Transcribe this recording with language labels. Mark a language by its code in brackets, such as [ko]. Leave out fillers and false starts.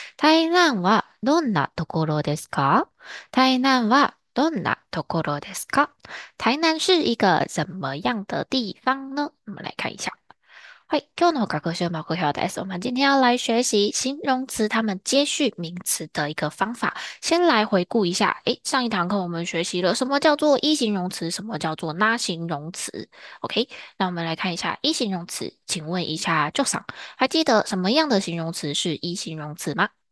[ja] 台南はどんなところですか？台南はどんなところですか？ [zh] 台南是一个怎么样的地方呢？我们来看一下。 [ja] はい、今日の学習目標です。 [zh] 我们今天要来学习形容词它们接续名词的一个方法。先来回顾一下，诶，上一堂课我们学习了什么叫做一形容词，什么叫做那形容词。 OK，那我们来看一下一形容词。请问一下，Joson，还记得什么样的形容词是一形容词吗？